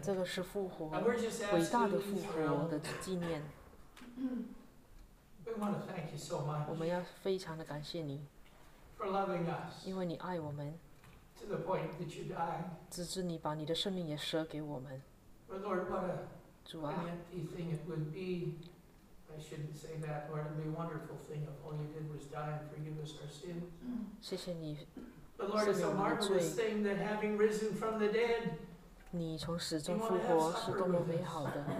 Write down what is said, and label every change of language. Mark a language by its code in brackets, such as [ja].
[zh] 这个是复活，伟大的复活的纪念。 [en] We want to thank you so much. [zh] 我们要非常的感谢你。 [en] For loving us. [zh] 因为你爱我们。 [en] To the point that you died. [zh] 直至你把你的生命也舍给我们。 [en] But Lord, what a empty thing it would be. I shouldn't say that, Lord. It'd be a wonderful thing if all you did was die and forgive us our sins. [zh] 谢谢你。 [en] But Lord, it's a marvelous thing that having risen from the dead, [zh] 你从死中复活是多么美好的。